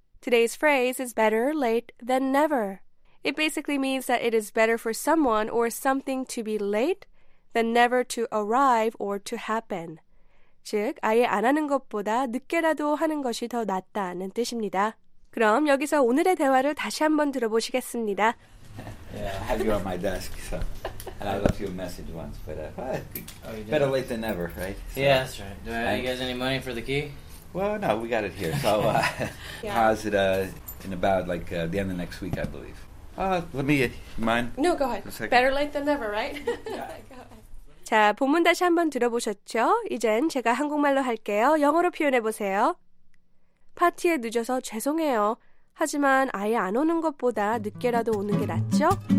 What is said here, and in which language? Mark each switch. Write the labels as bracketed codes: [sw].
[en] Today's phrase is better late than never. It basically means that it is better for someone or something to be late than never to arrive or to happen. [ko] 즉, 아예 안 하는 것보다 늦게라도 하는 것이 더 낫다는 뜻입니다. 그럼 여기서 오늘의 대화를 다시 한번 들어보시겠습니다. [en] Yeah, I have you on my desk, so, and I left you a message once, but better late than never, right? So, yeah, that's right. Do I have you guys any money for the key? Well, no, we got it here, so how's it in about, like, the end of next week, I believe. Let me, mind? No, go ahead. Better late than never, right? Yeah. [ko] 자, 본문 다시 한번 들어보셨죠? 이젠 제가 한국말로 할게요. 영어로 표현해보세요. 파티에 늦어서 죄송해요. 하지만 아예 안 오는 것보다 늦게라도 오는 게 낫죠?